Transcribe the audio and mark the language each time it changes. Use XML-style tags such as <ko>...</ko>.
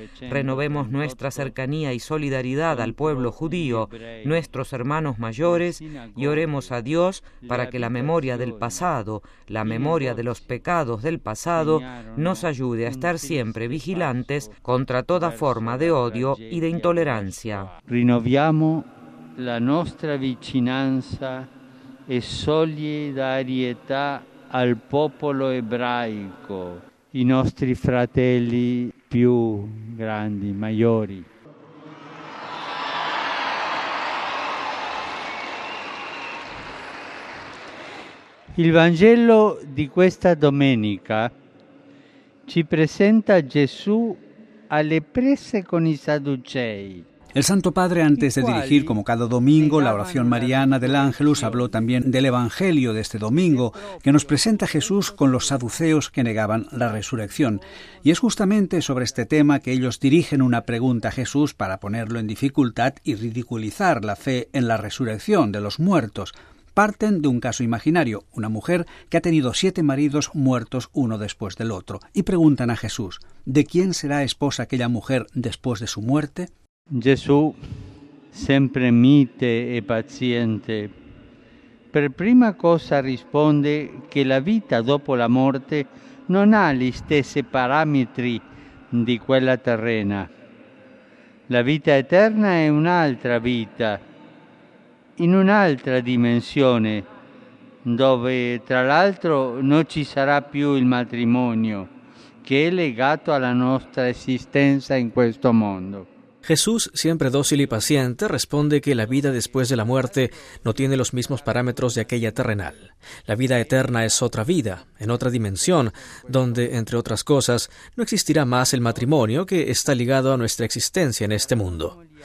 <es>Renovemos nuestra cercanía y solidaridad al pueblo judío, nuestros hermanos mayores, y oremos a Dios para que la memoria del pasado, la memoria de los pecados del pasado, nos ayude a estar siempre vigilantes contra toda forma de odio y de intolerancia.</es> <it>Renovamos la nostra vicinanza e solidarietà al popolo ebraico, i nostri fratelli più grandi, maggiori. Il Vangelo di questa domenica ci presenta Gesù alle prese con i Sadducei.</it> <es>El Santo Padre, antes de dirigir, como cada domingo, la oración mariana del Ángelus, habló también del Evangelio de este domingo, que nos presenta a Jesús con los saduceos que negaban la resurrección. Y es justamente sobre este tema que ellos dirigen una pregunta a Jesús para ponerlo en dificultad y ridiculizar la fe en la resurrección de los muertos. Parten de un caso imaginario, una mujer que ha tenido 7 maridos muertos uno después del otro, y preguntan a Jesús, ¿de quién será esposa aquella mujer después de su muerte?</es> <it>Gesù, sempre mite e paziente, per prima cosa risponde che la vita dopo la morte non ha gli stessi parametri di quella terrena. La vita eterna è un'altra vita, in un'altra dimensione, dove tra l'altro non ci sarà più il matrimonio, che è legato alla nostra esistenza in questo mondo.</it> <es>Jesús, siempre dócil y paciente, responde que la vida después de la muerte no tiene los mismos parámetros de aquella terrenal. La vida eterna es otra vida, en otra dimensión, donde, entre otras cosas, no existirá más el matrimonio que está ligado a nuestra existencia en este mundo.</es>